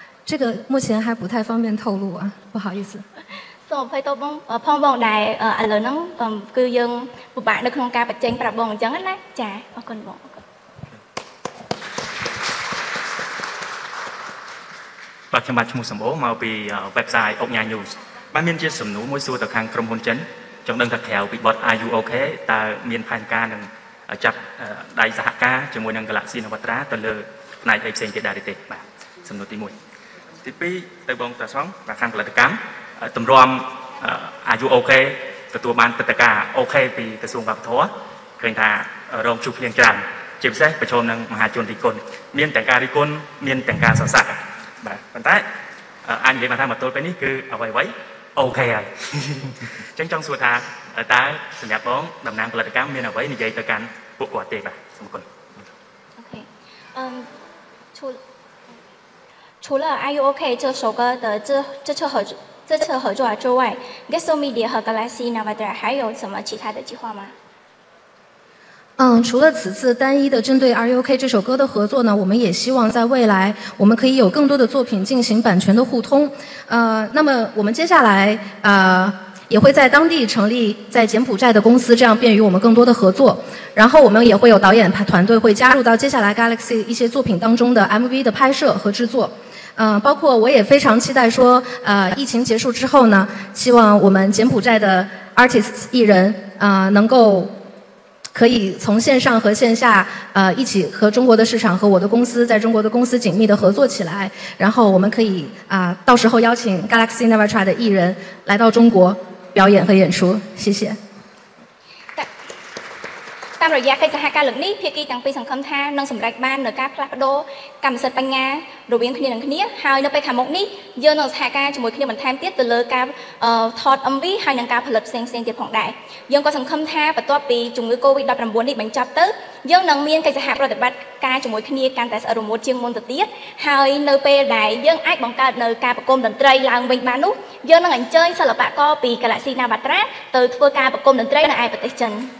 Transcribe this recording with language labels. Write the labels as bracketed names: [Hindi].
[Khmer] នេះ [Chinese] 目前还不太方便透露啊不好意思 [Khmer] សូមអភ័យទោសបងផងបងដែរឥឡូវហ្នឹងគឺយើងពិបាកនៅក្នុងការបច្ចេកប្រាប់បងអញ្ចឹងណាចាអរគុណបង បាទខ្ញុំបាទឈ្មោះសំបូរមកពី website អុកញ៉ា news បាទមានជាសំណួរមួយសួរទៅខាងក្រុមហ៊ុនចិនចង់ដឹងថាក្រៅពីបត IUOK តើមានផែនការនឹងចាប់ដៃសហការជាមួយនឹង Galaxy Novatra ទៅលើផ្នែកផ្សេងទៀតដែរទេបាទសំណួរទី1ទី2ទៅបងតាសងបាទខាងផលិតកម្មតម្រាំ IUOK ទទួលបានព្រឹត្តិការណ៍ OK ពីក្រសួងវប្បធម៌ឃើញថារងជួបគ្នាច្រើនជាពិសេសប្រជុំនឹងមហាជនរីគុណមានទាំងការរីគុណមានទាំងការសរសើរបាទប៉ុន្តែអាចនិយាយបានថាមកទល់ពេលនេះគឺអ្វីៗអូខេហើយអញ្ចឹងចង់សួរថាតើសម្រាប់បងតំណាងផលិតកម្មមានអ្វីនិយាយទៅកាន់ពួកគាត់ទេបាទសូមអរគុណអូ [Chinese] ខេ除了 IUOK 这首歌的这次合作之外 Gesso Media 和 Galaxy Navadra 还有什么其他的计划吗除了此次单一的针对 RUK 这首歌的合作呢，我们也希望在未来我们可以有更多的作品进行版权的互通。那么我们接下来也会在当地成立在柬埔寨的公司，这样便于我们更多的合作。然后我们也会有导演团队会加入到接下来 Galaxy 一些作品当中的 MV 的拍摄和制作。包括我也非常期待说疫情结束之后呢，希望我们柬埔寨的 artists 艺人能够可以从线上和线下一起和中国的市场和我的公司在中国的公司紧密的合作起来，然后我们可以到时候邀请 Galaxy Navatra 的艺人来到中国表演和演出，谢谢。 [Khmer] តាមរយៈកិច្ចសហការលើកនេះភាគីទាំងពីរសង្ឃឹមថានឹងសម្រេចបាននូវការផ្លាស់ប្តូរកម្មសិទ្ធិបញ្ញារវាងគ្នានឹងគ្នាហើយនៅពេលខាងមុខនេះយើងនឹងសហការជាមួយគ្នាបន្ថែមទៀតទៅលើការថត MV ហើយនិងការផលិតផ្សេងៗទៀតផងដែរយើងក៏សង្ឃឹមថាបន្ទាប់ពីជំងឺ COVID-19 នេះបញ្ចប់ទៅយើងនឹងមានកិច្ចសហប្រតិបត្តិការជាមួយគ្នាកាន់តែស្អិតរមួតជាងមុនទៅទៀតហើយនៅពេលដែលយើងអាចបង្កើតនៅការប្រគំតន្ត្រីឡើងវិញបាននោះយើងនឹងអញ្ជើញសិល្បករពី Galaxy Navatra ទៅធ្វើការប្រគំតន្ត្រីនៅឯប្រទេសចិន